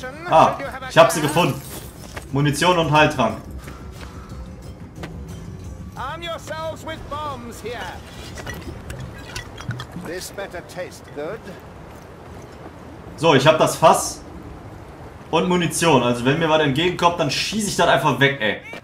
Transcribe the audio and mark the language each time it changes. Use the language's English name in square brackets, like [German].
[German] Ah, ich habe sie gefunden. Munition und Heiltrank. [English] Arm yourselves with bombs here. This better taste good. [German] So, ich habe das Fass und Munition. Also wenn mir was entgegenkommt, dann schieße ich das einfach weg, ey.